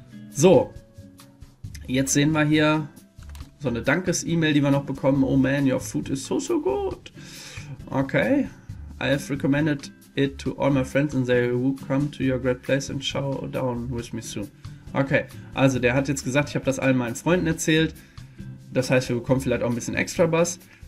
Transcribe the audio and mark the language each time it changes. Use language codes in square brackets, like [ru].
[de] So, jetzt sehen wir hier so eine Dankes-E-Mail, die wir noch bekommen. [en] Oh man, your food is so, so good. Okay. I have recommended it to all my friends and they will come to your great place and chow down with me soon. [de] Okay, also der hat jetzt gesagt, ich habe das allen meinen Freunden erzählt. Das heißt, wir bekommen vielleicht auch ein bisschen extra Buzz.